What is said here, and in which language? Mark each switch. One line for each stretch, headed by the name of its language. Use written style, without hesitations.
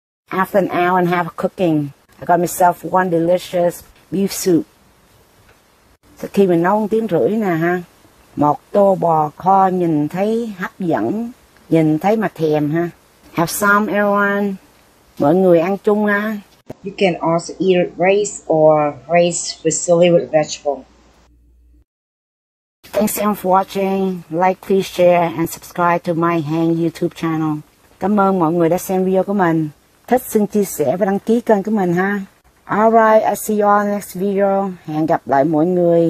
English: After an hour and a half of cooking, I got myself 1 delicious beef soup.
Vietnamese: So khi mình nấu 1 tiếng rưỡi nè ha, một tô bò kho nhìn thấy hấp dẫn, nhìn thấy mà thèm ha.
English: Have some everyone,
Vietnamese: mọi người ăn chung ha.
English: You can also eat rice or rice with silly with vegetable. Thanks everyone for watching. Like, please share and subscribe to my Hang YouTube channel.
Vietnamese: Cảm ơn mọi người đã xem video của mình. Thích xin chia sẻ và đăng ký kênh của mình ha.
English: Alright, I see you all in the next video.
Vietnamese: Hẹn gặp lại mọi người.